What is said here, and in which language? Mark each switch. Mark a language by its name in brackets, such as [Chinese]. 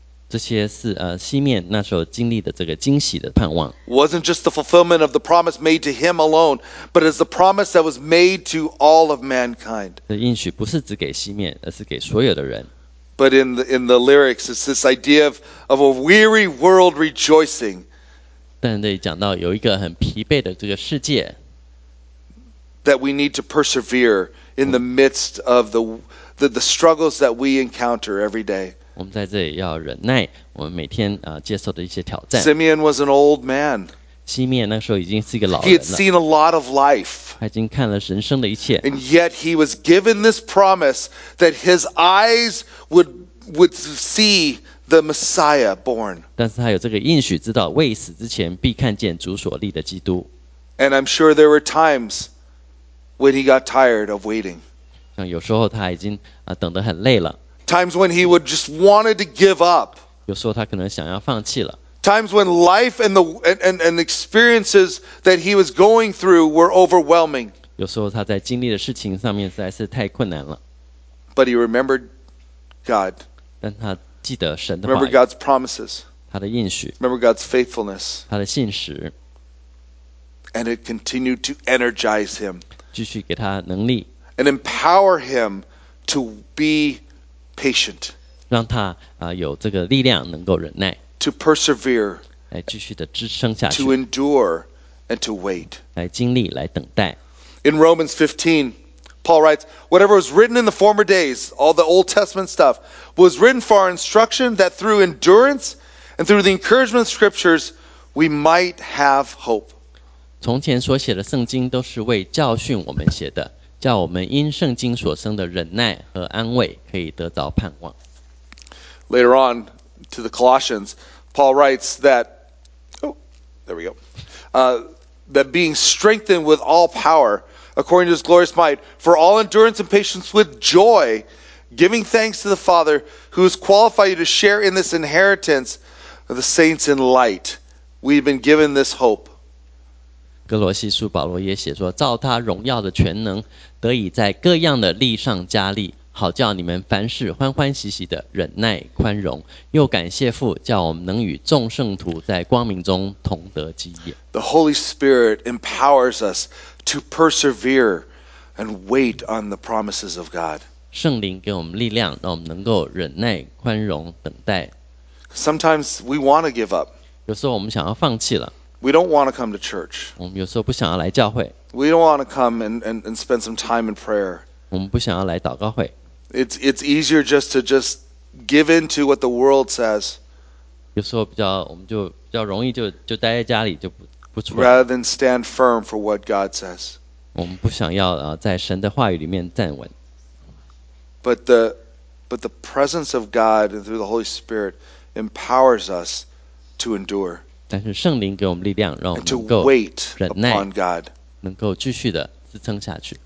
[Chinese] 这些是西面那时候经历的这个惊喜的盼望。 [English] Wasn't just the fulfillment of the promise made to him alone, but as the promise that was made to all of mankind. [Chinese] 这应许不是只给西面，而是给所有的人。 [English] but in the lyrics, it's this idea of a weary world rejoicing. [Chinese] 但这里讲到有一个很疲惫的这个世界。 [English] That we need to persevere in the midst of the struggles that we encounter every day. [Chinese] 我们在这里要忍耐，我们每天接受的一些挑战。 [English] Simeon was an old man. [Chinese] 西面那时候已经是一个老人了。 [English] He had seen a lot of life. [Chinese] 他已经看了人生的一切。 [English] And yet he was given this promise that his eyes would see the Messiah born. [Chinese] 但是他有这个应许，知道未死之前必看见主所立的基督。 [English] And I'm sure there were times. When he got tired of waiting. [Chinese] 像有时候他已经等得很累了。 [English] Times when he would just wanted to give up. [Chinese] 有时候他可能想要放弃了。 [English] Times when life and experiences that he was going through were overwhelming. [Chinese] 有时候他在经历的事情上面实在是太困难了。 [English] But he remembered God. [Chinese] 但他记得神的话语。 [English] Remember God's promises. [Chinese] 他的应许。 [English] Remember God's faithfulness. [Chinese] 他的信实。 [English] And it continued to energize him. [Chinese] 继续给他能力 [English] and empower him to be patient, [Chinese] 让他有这个力量能够忍耐 [English] to persevere, [Chinese] 来继续的支撑下去 [English] to endure and to wait, [Chinese] 来经历来等待 [English] In Romans 15, Paul writes, whatever was written in the former days, all the Old Testament stuff, was written for our instruction that through endurance and through the encouragement of scriptures, we might have hope. [Chinese] 从前所写的圣经都是为教训我们写的，叫我们因圣经所生的忍耐和安慰可以得着盼望。 [English] Later on, to the Colossians, Paul writes that, that being strengthened with all power, according to his glorious might, for all endurance and patience with joy, giving thanks to the Father, who has qualified you to share in this inheritance of the saints in light. We've been given this hope. [Chinese] 哥罗西书保罗也写说照他荣耀的全能得以在各样的力上加力好叫你们凡事欢欢喜喜的忍耐宽容又感谢父叫我们能与众圣徒在光明中同得基业 [English] The Holy Spirit empowers us to persevere and wait on the promises of God [Chinese] 圣灵给我们力量让我们能够忍耐宽容等待 [English] Sometimes we want to give up [Chinese] 有时候我们想要放弃了 [English] We don't want to come to church. [Chinese] 我们有时候不想要来教会。 [English] We don't want to come and spend some time in prayer. [Chinese] 我们不想要来祷告会。 [English] It's easier just to just give in to what the world says. [Chinese] 有时候比较我们就比较容易就待在家里就不出来。 [English] Rather than stand firm for what God says. [Chinese] 我们不想要在神的话语里面站稳。 [English] But the presence of God through the Holy Spirit empowers us to endure. [Chinese] 但是圣灵给我们力量，让我们能够忍耐，能够继续的支撑下去。